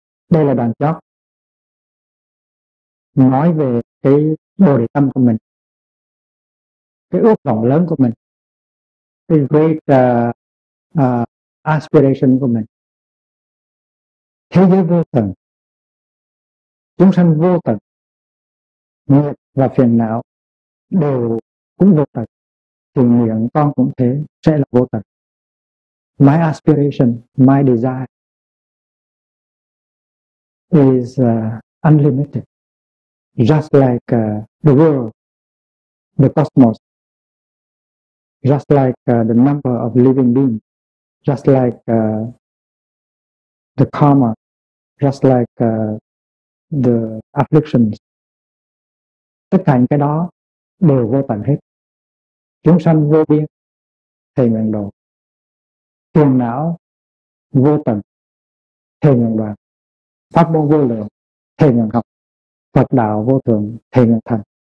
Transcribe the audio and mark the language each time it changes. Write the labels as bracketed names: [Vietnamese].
[Vietnamese] Đây là đoạn chót nói về cái bồ đề tâm của mình, cái ước vọng lớn của mình, cái great aspiration của mình. Thế giới vô tận, chúng sanh vô tận, nghiệp và phiền não đều cũng vô tận, thì nguyện con cũng thế, sẽ là vô tận. [English] My aspiration, my desire is unlimited, just like the world, the cosmos, just like the number of living beings, just like the karma, just like the afflictions. [Vietnamese] Tất cả những cái đó đều vô tận hết. Chúng sanh vô biên, thầy nguyện độ. Phiền não vô tận, thầy nguyện đoạn. Pháp môn vô lượng, thầy nguyện học. Phật đạo vô thường, thầy nguyện thành.